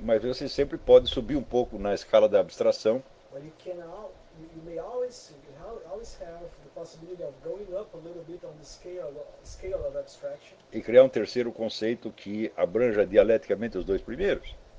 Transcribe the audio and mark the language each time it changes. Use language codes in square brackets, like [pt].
[pt] Mas você sempre pode subir um pouco na escala da abstração. [en] But you can always have the possibility of going up a little bit on the scale of abstraction. [pt] E criar um terceiro conceito que abranja dialeticamente os dois primeiros.